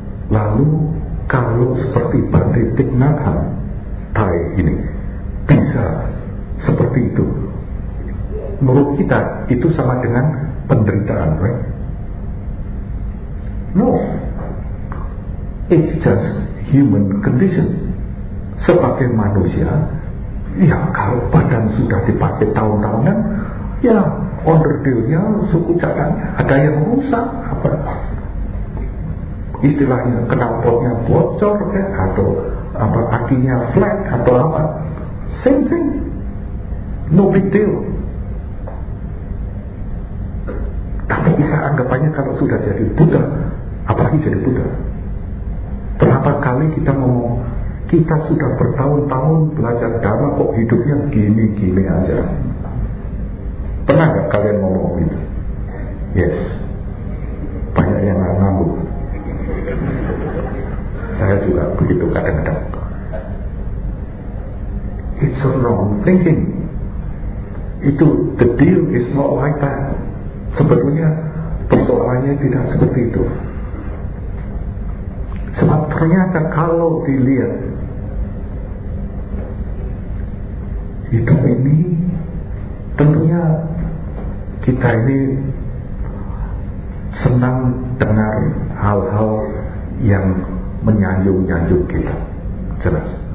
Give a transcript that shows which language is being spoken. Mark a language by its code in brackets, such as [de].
[id] Lalu kalau seperti Bhante Thich Nhat Hanh Thai ini bisa seperti itu, menurut kita itu sama dengan penderitaan, [en] right? No, it's just human condition. [id] Sebagai manusia, ya kalau badan sudah dipakai tahun-tahunan, ya onderdilnya, suku cadangnya ada yang rusak, apa istilahnya, knalpotnya bocor ya, atau apa kakinya flat atau apa, [en] same thing, no big deal. [id] Tapi kita anggapannya kalau sudah jadi Buddha, apalagi jadi Buddha, berapa kali kita ngomong kita sudah bertahun-tahun belajar Dharma kok hidupnya gini-gini aja. Pernah nggak kalian ngomong gitu? [en] Yes, [id] banyak yang ngangguk. Saya juga begitu kadang-kadang. [en] It's a wrong thinking. [id] Itu [en] the deal is not like that. [id] Sebetulnya persoalannya tidak seperti itu. Sebab ternyata kalau dilihat, hidup ini tentunya kita ini senang dengar hal-hal yang menyanjung-nyanjung kita, jelas.